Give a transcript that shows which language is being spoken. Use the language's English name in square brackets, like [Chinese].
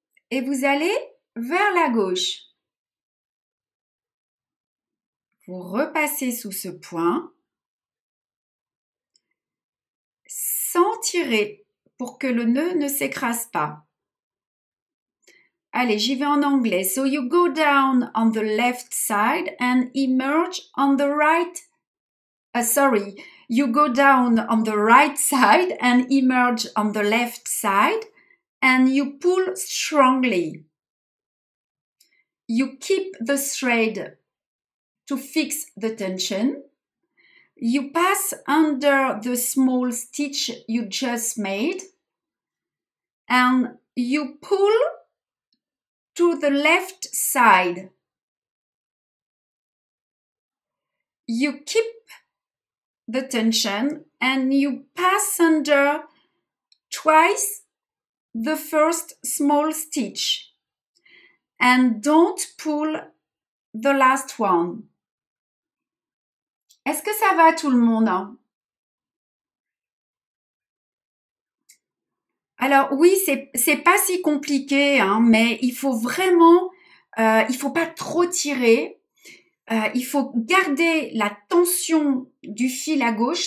[French] Et vous allez vers la gauche. Vous repassez sous ce point. Sans tirer pour que le nœud ne s'écrase pas. Allez, j'y vais en anglais. [English] So you go down on the left side and emerge on the right. You go down on the right side and emerge on the left side. And you pull strongly. You keep the thread to fix the tension. You pass under the small stitch you just made. And you pull to the left side. You keep the tension and you pass under twice the first small stitch and don't pull the last one. [French] Est-ce que ça va tout le monde? Alors oui, c'est pas si compliqué, hein, mais il faut vraiment, il faut pas trop tirer. Il faut garder la tension du fil à gauche.